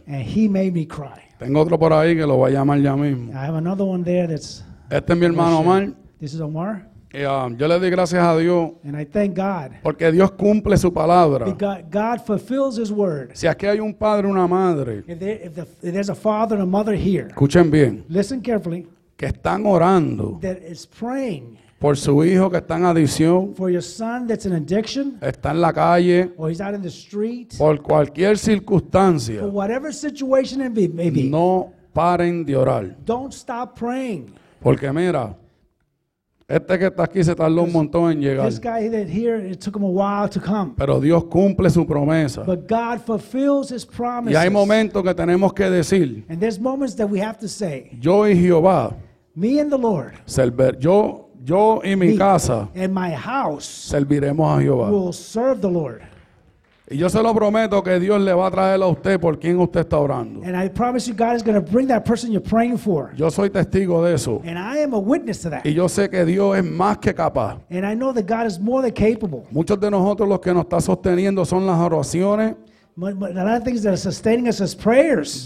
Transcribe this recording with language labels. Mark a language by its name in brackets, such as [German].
[English] And he made me cry. [Spanish] Tengo otro por ahí que lo voy a llamar ya mismo. [English] I have another one there that's [Spanish] Este es mi hermano Omar. [English] This is Omar. [Spanish] Y yo le doy gracias a Dios. [English] And I thank God. [Spanish] Porque Dios cumple su palabra. [English] Because God fulfills his word. [Spanish] Si aquí hay un padre o una madre. [English] If there's a father and a mother here. [Spanish] Escuchen bien. [English] Listen carefully. [Spanish] Que están orando. [English] That is praying. [Spanish] Por su hijo que está en adicción. [English] For your son that's in addiction. [Spanish] Está en la calle. [English] Or he's out in the street. [Spanish] Por cualquier circunstancia. [English] For whatever situation it may be. [Spanish] No paren de orar. [English] Don't stop praying. [Spanish] Porque mira, este que está aquí se tardó un montón en llegar. [English] This guy that here, it took him a while to come. [Spanish] Pero Dios cumple su promesa. [English] But God fulfills his promises. [Spanish] Y hay momentos que tenemos que decir. [English] And there's moments that we have to say. [Spanish] Yo y Jehová. [English] Me and the Lord. [Spanish] Yo y mi casa. [English] And my house. [Spanish] Serviremos a Jehová. [English] We'll serve the Lord. [Spanish] Y yo se lo prometo que Dios le va a traer a usted por quien usted está orando. [English] And I promise you God is going to bring that person you're praying for. [Spanish] Yo soy testigo de eso. [English] And I am a witness to that. [Spanish] Y yo sé que Dios es más que capaz. [English] And I know that God is more than capable. [Spanish] Muchos de nosotros los que nos está sosteniendo son las oraciones. [English] But a lot of things that are sustaining us is prayers.